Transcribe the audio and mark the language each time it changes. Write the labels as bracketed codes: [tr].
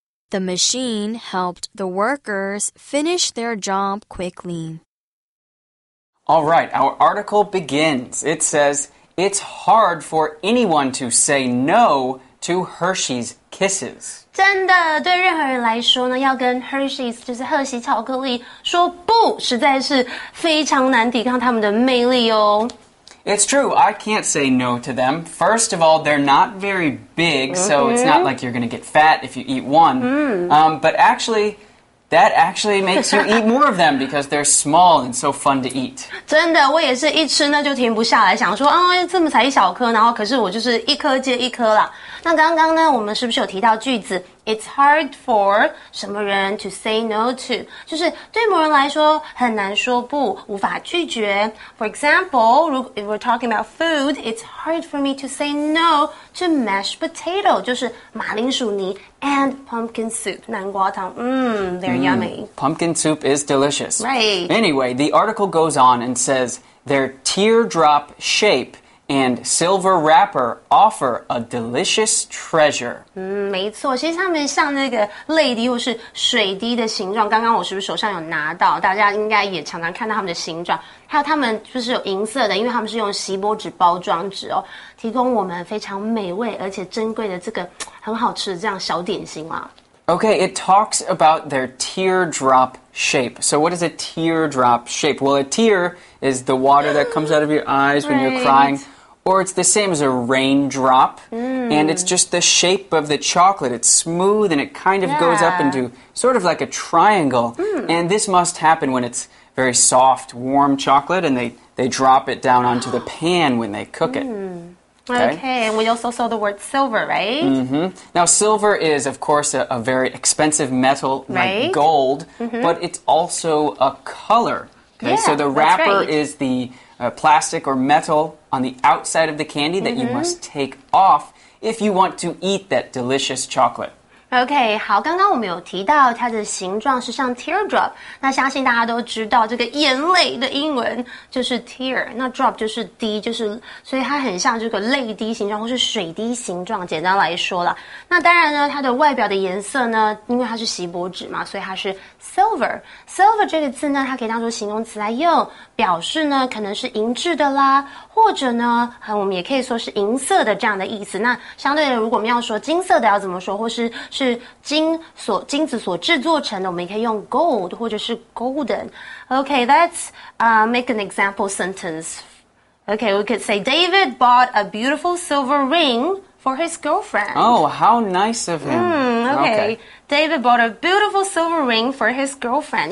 [en] The machine helped the workers finish their job quickly. All right, our article begins. It says, it's hard for anyone to say no to Hershey's Kisses. [zh] 真的，对任何人来说呢，要跟 Hershey's 就是赫喜巧克力说不，实在是非常难抵抗他们的魅力哦。 [en] It's true. I can't say no to them. First of all, they're not very big, so it's not like you're going to get fat if you eat one. But actually, that actually makes you eat more of them because they're small and so fun to eat. [zh] 真的，我也是一吃呢就停不下来，想说啊，这么才一小颗，然后可是我就是一颗接一颗啦。那刚刚呢，我们是不是有提到句子 ？ [en] It's hard for [zh] 什么人 [en] to say no to， [zh] 就是对某人来说很难说不，无法拒绝。 [en] For example， if we're talking about food， it's hard for me to say no to mashed potato， [zh] 就是马铃薯泥 [en] and pumpkin soup， [zh] 南瓜汤。 [en] They're yummy. Pumpkin soup is delicious. Right. Anyway， the article goes on and says their teardrop shape and silver wrapper offer a delicious treasure. [zh] 没错，其实它们像那个泪滴或是水滴的形状，刚刚我是不是手上有拿到，大家应该也常常看到它们的形状，还有它们就是有银色的，因为它们是用锡箔纸包装纸哦，提供我们非常美味而且珍贵的这个很好吃的这样小点心啊。 [en] Okay, it talks about their teardrop shape. So what is a teardrop shape? Well, a tear is the water that comes out of your eyes when you're crying. Or it's the same as a raindrop. And it's just the shape of the chocolate. It's smooth and it kind of goes up into sort of like a triangle. And this must happen when it's very soft, warm chocolate and they drop it down onto the pan when they cook it. Okay, and we also saw the word silver, right? Mm-hmm. Now, silver is, of course, a very expensive metal, like gold, but it's also a color. Okay, yeah, so the wrapper is the plastic or metal on the outside of the candy that you must take off if you want to eat that delicious chocolate. [zh] OK, 好，刚刚我们有提到它的形状是像 teardrop, 那相信大家都知道这个眼泪的英文就是 tear, 那 drop 就是滴，就是所以它很像这个泪滴形状或是水滴形状，简单来说啦。那当然呢，它的外表的颜色呢，因为它是锡箔纸嘛，所以它是 silver。 silver 这个字呢，它可以当作形容词来用，表示呢可能是银质的啦，或者呢，我们也可以说是银色的这样的意思。那相对的，如果我们要说金色的要怎么说，或是金子所制作成的，我们也可以用 gold 或者是 golden. [en] Okay, let's make an example sentence. Okay, we could say David bought a beautiful silver ring for his girlfriend. Oh, how nice of him. Okay. David bought a beautiful silver ring for his girlfriend.